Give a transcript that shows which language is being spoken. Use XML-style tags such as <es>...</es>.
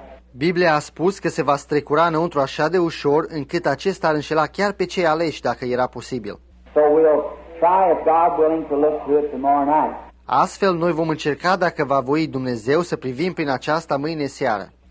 <ro>Biblia a spus că se va strecura înăuntru așa de ușor încât acesta ar înșela chiar pe cei aleși, dacă era posibil.</ro> <en>So we'll try, if God willing, to look to it tomorrow night.</en> <ro>Astfel, noi vom încerca, dacă va voi Dumnezeu, să privim prin aceasta mâine seară.</ro>